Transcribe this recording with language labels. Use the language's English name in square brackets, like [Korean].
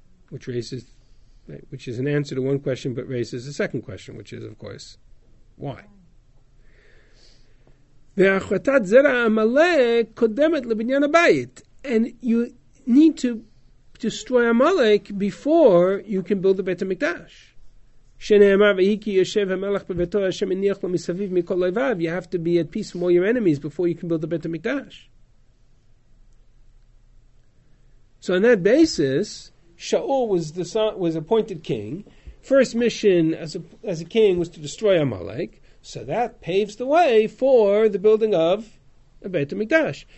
[English] Which is an answer to one question, but raises a second question, which is, of course, why? [Hebrew] Ve'achratat zera Amalek kodemet lebinyan habayit. [English] And you need to destroy Amalek before you can build the Beit HaMikdash. [Hebrew] שנאמר ואיכי יושב המלך בביתו השם הניח לו מסביב מכל איביו. [English] You have to be at peace with all your enemies before you can build the Beit HaMikdash. So on that basis, Shaul was appointed king. First mission as a king was to destroy Amalek. So that paves the way for the building of the Beit HaMikdash.